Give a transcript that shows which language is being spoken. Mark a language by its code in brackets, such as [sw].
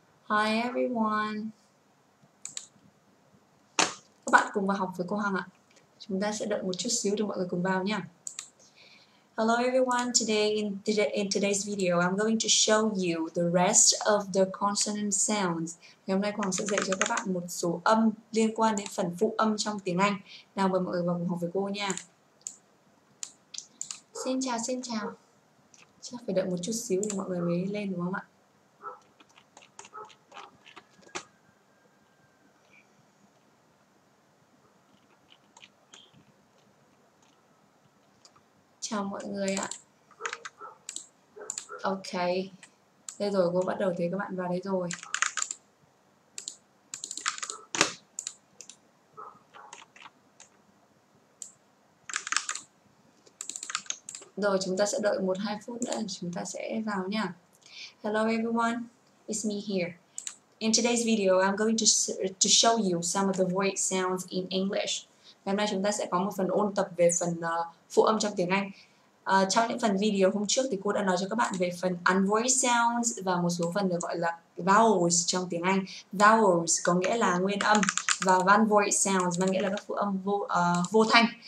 [en] Hi everyone. [vi] Các bạn cùng vào học với cô Hằng ạ. Chúng ta sẽ đợi một chút xíu để mọi người cùng vào nha. [en] Hello everyone, today in today's video, I'm going to show you the rest of the consonant sounds. [vi] Ngày hôm nay Hoàng sẽ dạy cho các bạn một số âm liên quan đến phần phụ âm trong tiếng Anh. Nào mời mọi người vào cùng học với cô nha. Xin chào, xin chào. Chắc phải đợi một chút xíu thì mọi người mới lên đúng không ạ? Chào mọi người ạ. Ok. Đây rồi, cô bắt đầu thấy các bạn vào đây rồi. Rồi, chúng ta sẽ đợi 1-2 phút nữa. Chúng ta sẽ vào nha. [en] Hello everyone, it's me here. In today's video, I'm going to show you some of the voice sounds in English. [vi] Ngày hôm nay chúng ta sẽ có một phần ôn tập về phần phụ âm trong tiếng Anh. Trong những phần video hôm trước thì cô đã nói cho các bạn về phần unvoiced sounds và một số phần được gọi là vowels trong tiếng Anh. Vowels có nghĩa là nguyên âm và unvoiced sounds mang nghĩa là các phụ âm vô thanh.